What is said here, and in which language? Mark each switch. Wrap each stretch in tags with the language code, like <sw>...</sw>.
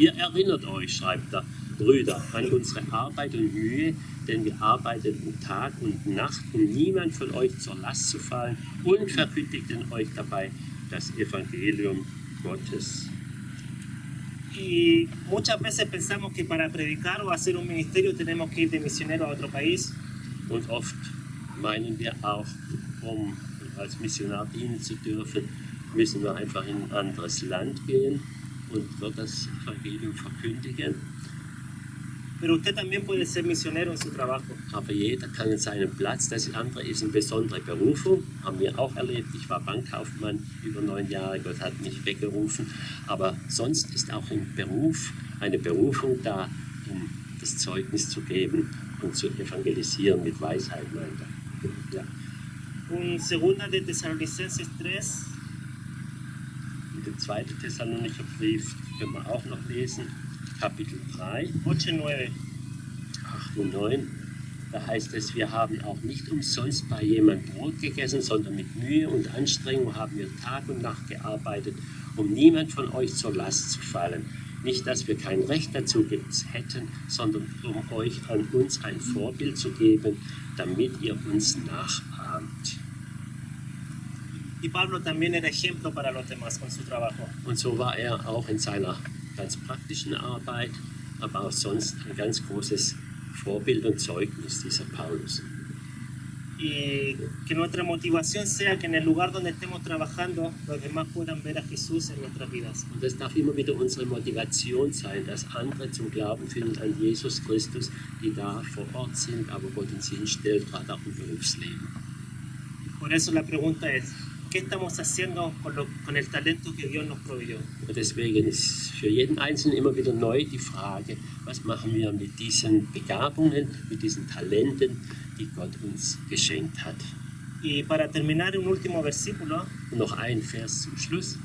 <de>Ihr erinnert euch, schreibt er, Brüder, an unsere Arbeit und Mühe, denn wir arbeiteten Tag und Nacht, um niemand von euch zur Last zu fallen und verkündigten euch dabei das Evangelium Gottes.</de> <es>Y muchas veces pensamos que para predicar o hacer un ministerio tenemos que ir de misionero a otro país.</es> <de>Und oft meinen wir auch, um als Missionar dienen zu dürfen, müssen wir einfach in ein anderes Land gehen und dort das Evangelium verkündigen.</de> <es>Pero usted también puede ser misionero en su trabajo.</es> <de>Aber jeder kann in seinem Platz, das andere ist eine besondere Berufung, haben wir auch erlebt. Ich war Bankkaufmann über 9 Jahre, Gott hat mich weggerufen. Aber sonst ist auch ein Beruf, eine Berufung da, um das Zeugnis zu geben und zu evangelisieren mit Weisheit, meint er. Ja. Und</de> <es>Segunda de Tesalonicenses 3.</es> <de>Und den 2. Thessalonicher Brief können wir auch noch lesen. Kapitel 3, 8 und 9, da heißt es, wir haben auch nicht umsonst bei jemandem Brot gegessen, sondern mit Mühe und Anstrengung haben wir Tag und Nacht gearbeitet, um niemand von euch zur Last zu fallen. Nicht, dass wir kein Recht dazu hätten, sondern um euch an uns ein Vorbild zu geben, damit ihr uns nachahmt.</de> <es>Y Pablo también era ejemplo para los demás con su trabajo.</es> <de>Und so war er auch in seiner ganz praktischen Arbeit, aber auch sonst ein ganz großes Vorbild und Zeugnis dieser Paulus.</de> <es>Y que nuestra motivación sea que en el lugar donde estemos trabajando los demás puedan ver a Jesús en nuestras vidas.</es> <de>Und es darf immer wieder unsere Motivation sein, dass andere zum Glauben finden an Jesus Christus, die da vor Ort sind, aber Gott uns hinstellt, gerade auch im Berufsleben.</de> <es>Por eso la pregunta es, ¿qué estamos haciendo con el talento que Dios nos proveyó?</es> <de>Deswegen ist für jeden Einzelnen immer wieder neu die Frage, was machen wir mit diesen Begabungen, mit diesen Talenten, die Gott uns geschenkt hat.</de> <es>Y para terminar, un último versículo.</es> <de>Und noch ein Vers zum Schluss.</de>